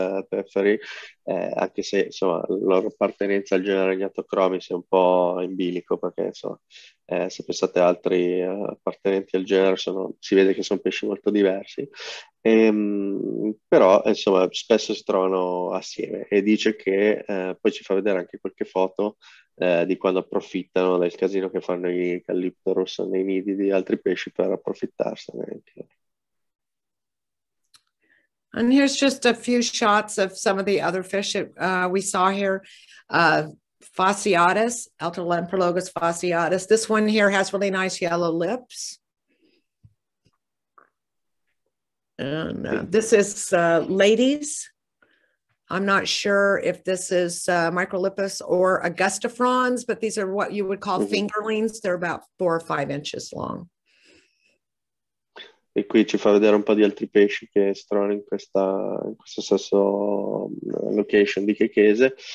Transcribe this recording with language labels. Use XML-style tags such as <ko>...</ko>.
<it>pfefferi, anche se insomma la loro appartenenza al genere Gnatochromis è un po' in bilico, perché insomma se pensate altri appartenenti al genere si vede che sono pesci molto diversi, però insomma spesso si trovano assieme, e dice che poi ci fa vedere anche qualche foto di quando approfittano del casino che fanno i calipterus nei nidi di altri pesci per approfittarsene anche.</it> <en>And here's just a few shots of some of the other fish that we saw here. Fasciatus, Alter Lamprologus fasciatus. This one here has really nice yellow lips. And this is ladies. I'm not sure if this is Microlipus or Augustifrons, but these are what you would call fingerlings. They're about 4 or 5 inches long.</en> <it>E qui ci fa vedere un po' di altri pesci che si trovano in questo stesso location di Checchese.</it>